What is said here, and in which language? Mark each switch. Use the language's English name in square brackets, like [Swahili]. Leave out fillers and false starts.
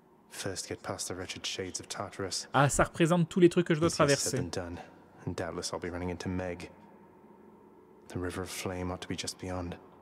[English] First get past the wretched shades of Tartarus. [French] Ah, ça représente tous les trucs que je dois traverser. [English] Doubtless I'll be running into Meg. The river of flame ought to be just beyond.